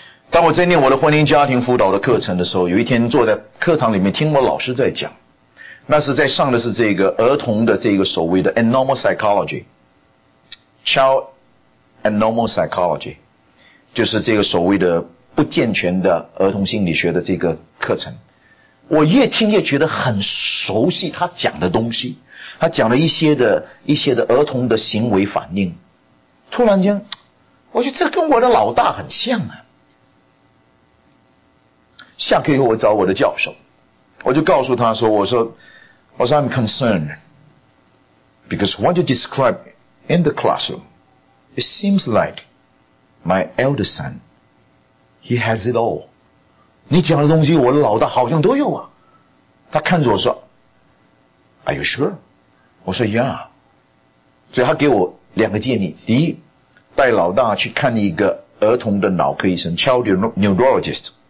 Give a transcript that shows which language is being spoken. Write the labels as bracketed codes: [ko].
[zh] 当我在念我的婚姻家庭辅导的课程的时候，有一天坐在课堂里面听我老师在讲，那是在上的是这个儿童的这个所谓的 [en] Normal PsychologyChild and Normal Psychology， [zh] 就是这个所谓的不健全的儿童心理学的这个课程。我越听越觉得很熟悉他讲的东西，他讲了一些的儿童的行为反应。突然间，我觉得这跟我的老大很像啊。 [en] 下课以后，我找我的教授，我就告诉他说： [zh] “我说 [en] I'm concerned because what you describeIn the classroom, it seems like my eldest son, he has it all. [zh] 你讲的东西我的老大好像都有啊。他看着我说 , [en] Are you sure? [zh] 我说 , [en] Yeah. [zh] 所以他给我两个建议。第一，带老大去看一个儿童的脑科医生 ,child neurologist.